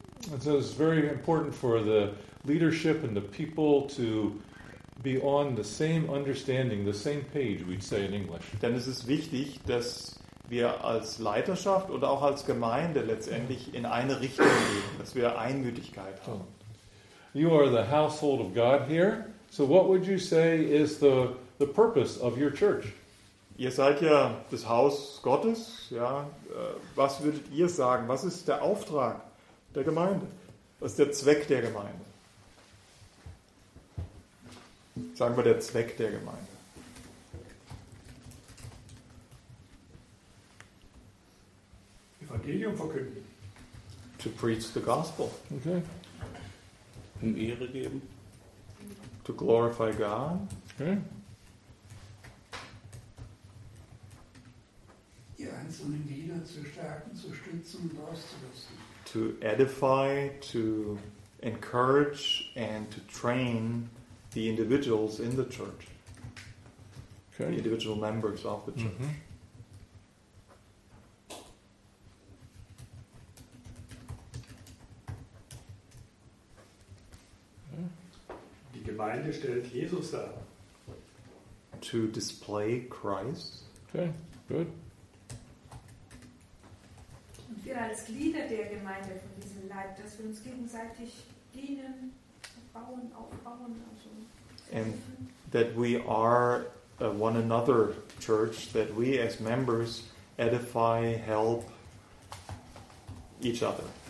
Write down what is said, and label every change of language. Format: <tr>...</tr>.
<en>And so it's very important for the leadership and the people to be on the same understanding, the same page, we'd say in English.</en> <de>Denn es ist wichtig, dass wir als Leiterschaft oder auch als Gemeinde letztendlich in eine Richtung gehen, dass wir Einmütigkeit haben.</de> <en>You are the household of God here. So what would you say is the purpose of your church?</en> <de>Ihr seid ja das Haus Gottes, ja. Was würdet ihr sagen? Was ist der Auftrag der Gemeinde? Was ist der Zweck der Gemeinde? Sagen wir der Zweck der Gemeinde. Evangelium verkünden.</de> <en>To preach the gospel. Okay.</en> <de>Um Ehre geben.</de> <en>To glorify God. Okay.</en> <de>Die einzelnen Glieder zu stärken, zu stützen und auszurüsten.</de> <en>To edify, to encourage and to train the individuals in the church. Okay. The individual members of the church. Mm-hmm.</en> <de>Gemeinde stellt Jesus dar.</de> <en>To display Christ. Okay, good.</en> <de>Und wir als Glieder der Gemeinde von diesem Leib, dass wir uns gegenseitig dienen, bauen, aufbauen. Also.</de> <en>And that we are a one another church, that we as members edify, help each other.</en>